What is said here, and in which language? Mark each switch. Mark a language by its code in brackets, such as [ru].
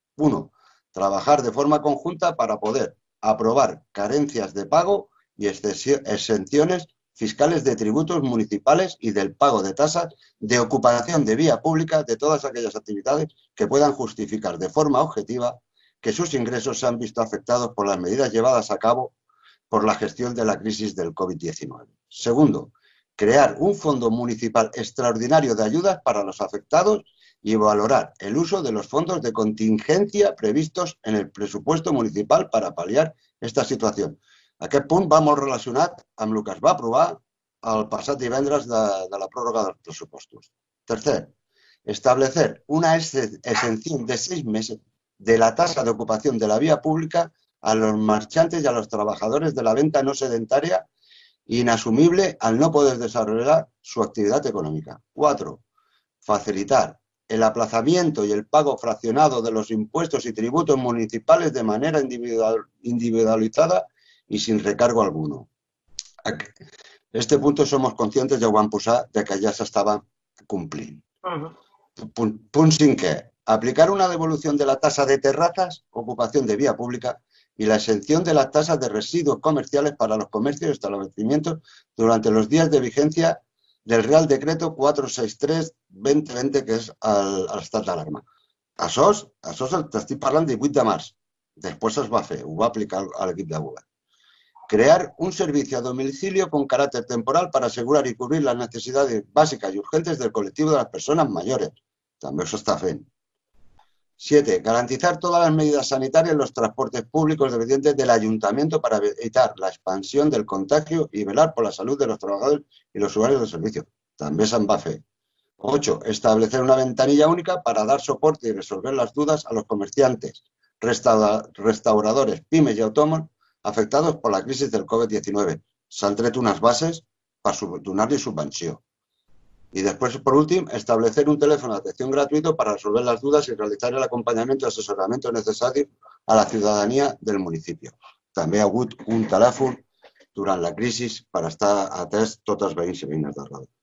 [es] Uno, trabajar de forma conjunta para poder aprobar carencias de pago y exenciones fiscales de tributos municipales y del pago de tasas de ocupación de vía pública de todas aquellas actividades que puedan justificar de forma objetiva que sus ingresos se han visto afectados por las medidas llevadas a cabo por la gestión de la crisis del COVID-19. Segundo, crear un fondo municipal extraordinario de ayudas para los afectados y valorar el uso de los fondos de contingencia previstos en el presupuesto municipal para paliar esta situación. [ca] Aquest punt va molt relacionat amb el que es va aprovar el passat divendres de la pròrroga dels pressupostos. [es] Tercer, establecer una exención de 6 meses de la tasa d'ocupación de la vía pública a los marchantes y a los trabajadores de la venta no sedentaria, inasumible al no poder desarrollar su actividad económica. Cuatro, facilitar el aplazamiento y el pago fraccionado de los impuestos y tributos municipales de manera individualizada y sin recargo alguno. Este punto somos conscientes, [ca] ja ho van posar, [es] de que [ca] ja s'estava complint. Punt 5è. [es] Aplicar una devolución de la tasa de terrazas, ocupación de vía pública, y la exención de las tasas de residuos comerciales para los comercios y establecimientos durante los días de vigencia del Real Decreto 463-2020, [ca] que és el estat d'alarma. Això t'estic parlant 18 de març. Després es va fer, ho va aplicar a l'equip de govern. [es] Crear un servicio a domicilio con carácter temporal para asegurar y cubrir las necesidades básicas y urgentes del colectivo de las personas mayores. [ca] També això està fent. [es] 7. Garantizar todas las medidas sanitarias en los transportes públicos dependientes del ayuntamiento para evitar la expansión del contagio y velar por la salud de los trabajadores y los usuarios del servicio. [ca] També se'n va fer. [es] 8. Establecer una ventanilla única para dar soporte y resolver las dudas a los comerciantes, restauradores, pymes y autónomos afectados por la crisis del COVID-19. [ca] S'han tret unes bases per donar-li subvenció. I després, per últim, establecer un telèfon d'atenció gratuït per resoldre les dudes i realitzar l'acompanyament i assessorament necessari a la ciutadania del municipi. També hi ha hagut un telèfon durant la crisi per estar atès tots els veïns i veïnes de Roda.